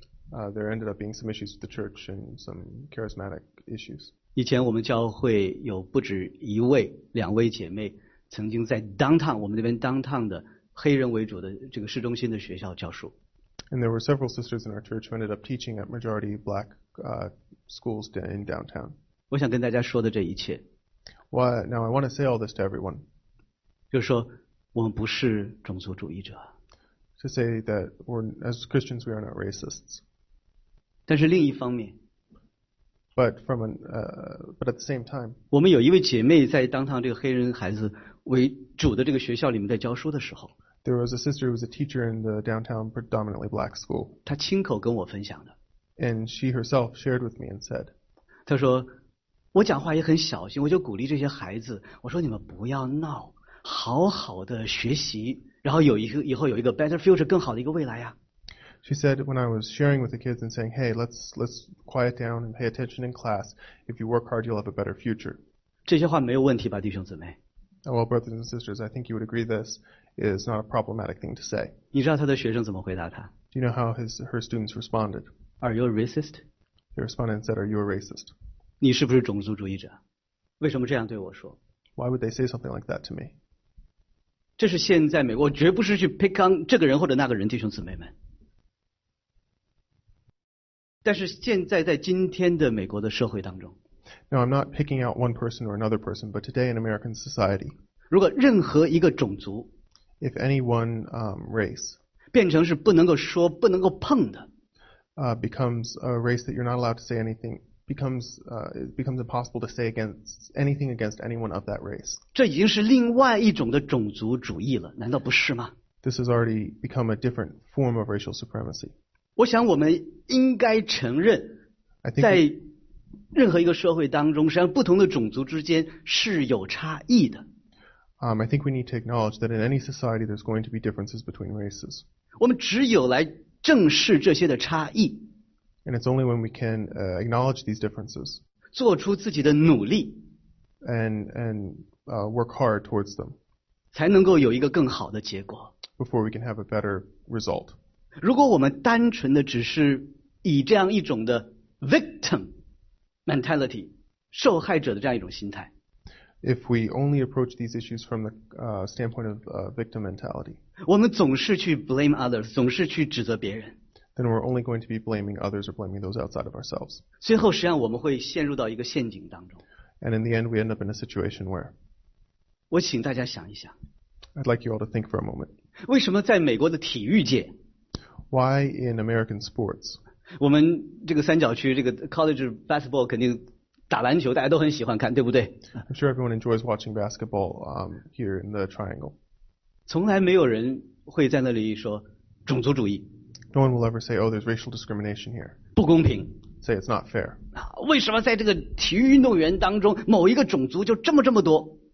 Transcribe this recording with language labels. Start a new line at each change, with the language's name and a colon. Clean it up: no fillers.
English: There ended up being some issues with the church and some charismatic issues.
Chinese: 以前我们教会有不止一位、两位姐妹曾经在 downtown, 我们那边 downtown 的黑人为主的这个市中心的学校教书。
English: And there were several sisters in our church who ended up teaching at majority black schools in downtown.
Chinese: 我想跟大家说的这一切。
English: Now I want to say all this to everyone.
Chinese: 就是说我们不是种族主义者。
English: To say that we're, as Christians we are not racists.
Chinese: 但是另一方面。
English: But at the same time.
Chinese: 我们有一位姐妹在downtown这个黑人孩子为主的这个学校里面在教书的时候。
English: There was a sister who was a teacher in the downtown predominantly black school.
Chinese: 她亲口跟我分享的。
English: And she herself shared with me and said.
Chinese: 她说我讲话也很小心我就鼓励这些孩子我说你们不要闹好好的学习然后有一个以后有一个 better future 更好的一个未来呀。
English: She said when I was sharing with the kids and saying, "Hey, let's quiet down and pay attention in class. If you work hard, you'll have a better future."
Chinese: 这些话没有问题吧，弟兄姊妹
English: ？Well, brothers and sisters, I think you would agree this is not a problematic thing to say.
Chinese: 你知道他的学生怎么回答他
English: ？Do you know how her students responded? Are you a racist? They responded and said, "Are you a racist?"
Chinese: 你是不是种族主义者？为什么这样对我说
English: ？Why would they say something like that to me?
Chinese: 这是现在美国，我绝不是去 pick on 这个人或者那个人，弟兄姊妹们。但是现在在今天的美国的社会当中
English: Now I'm not picking out one person or another person, but today in American society,
Chinese: 如果任何一个种族
English: if any one race,
Chinese: 变成是不能够说不能够碰的
English: becomes a race that you're not allowed to say anything, becomes impossible to say against anything against anyone of that race.
Chinese: 这已经是另外一种的种族主义了，难道不是吗？
English: This has already become a different form of racial supremacy.
Chinese: 我想我们应该承认在任何一个社会当中实际上不同的种族之间是有差异的。
English: I think we need to acknowledge that in any society there's going to be differences between races.
Chinese: 我们只有来正视这些的差异。
English: And it's only when we can acknowledge these differences.
Chinese: 做出自己的努力。
English: And work hard towards them.
Chinese: 才能够有一个更好的结果。
English: Before we can have a better result.
Chinese: 如果我们单纯的只是以这样一种的 victim mentality 受害者的这样一种心态
English: If we only approach these issues from the standpoint of victim mentality
Chinese: 我们总是去 blame others 总是去指责别人
English: Then we're only going to be blaming others or blaming those outside of ourselves
Chinese: 最后实际上我们会陷入到一个陷阱当中
English: And in the end we end up in a situation where
Chinese: 我请大家想一想
English: I'd like you all to think for a moment
Chinese: 为什么在美国的体育界
English: Why in American sports?
Chinese: 我们这个三角区这个 college basketball 肯定打篮球大家都很喜欢看，对不对
English: ？I'm sure everyone enjoys watching basketball here in the triangle.
Chinese: 从来没有人会在那里说种族主义。
English: No one will ever say, "Oh, there's racial discrimination here."
Chinese: 不公平。
English: Say it's not fair.
Chinese: 为什么在这个体育运动员当中某一个种族就这么多？